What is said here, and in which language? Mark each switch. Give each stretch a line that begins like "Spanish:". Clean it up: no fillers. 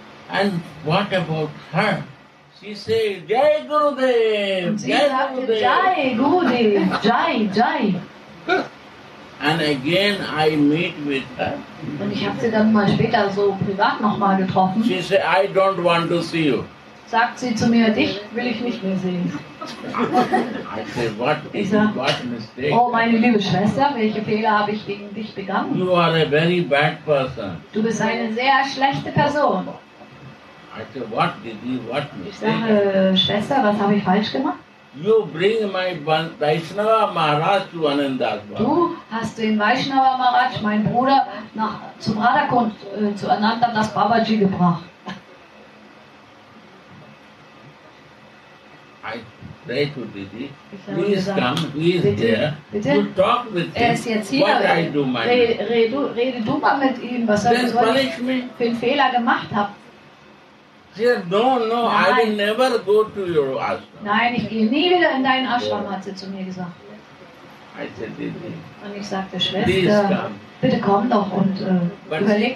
English: And what about her? She said, Jai Gurudev!
German: Und sie sagte, Jai Gurudev! Jai, Jai!
English: And again I meet with her.
German: Und ich habe sie dann mal später so privat nochmal getroffen.
English: She said, I don't want to see you.
German: Sagt sie zu mir, dich will ich nicht mehr sehen.
English: I say, what is, sag, what mistake?
German: Oh, meine liebe Schwester, welche Fehler habe ich gegen dich begangen?
English: You are a very bad person.
German: Du bist eine sehr schlechte Person.
English: I say, what did you, what mistake?
German: Ich sage, Schwester, was habe ich falsch gemacht?
English: You bring my Vaishnava Maharaj to Anandas Baba.
German: Du hast den Vaishnava Maharaj, mein Bruder, nach, zum Radhakund, zu Anandas Babaji gebracht.
English: I pray to Didi, please come, he is there, to talk with him,
German: er ist jetzt hier,
English: what I do, my
German: rede du mal mit ihm, was er für einen Fehler gemacht hat.
English: She said, no, no, nein. I will never go to your ashram.
German: Nein, ich gehe nie wieder in deinen Ashram, hat sie zu mir gesagt.
English: I said, Didi,
German: und ich sagte, Schwester, bitte komm doch und überleg